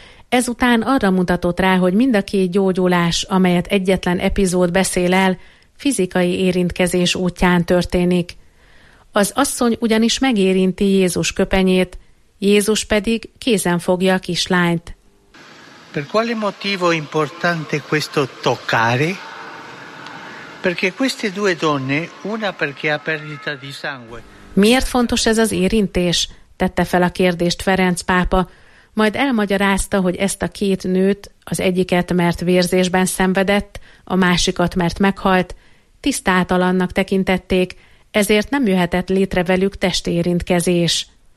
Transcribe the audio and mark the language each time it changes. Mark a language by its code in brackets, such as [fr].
[hu] Ezután arra mutatott rá, hogy mind a két gyógyulás, amelyet egyetlen epizód beszél el, fizikai érintkezés útján történik. Az asszony ugyanis megérinti Jézus köpenyét, Jézus pedig kézen fogja a kislányt. [it] Per quale motivo è importante questo toccare? Perché queste due donne, una perché ha perdita di sangue. [hu] Miért fontos ez az érintés? Tette fel a kérdést Ferenc pápa, majd elmagyarázta, hogy ezt a két nőt, az egyiket mert vérzésben szenvedett, a másikat mert meghalt, tisztátalannak tekintették, ezért nem jöhetett létre velük testérintkezés.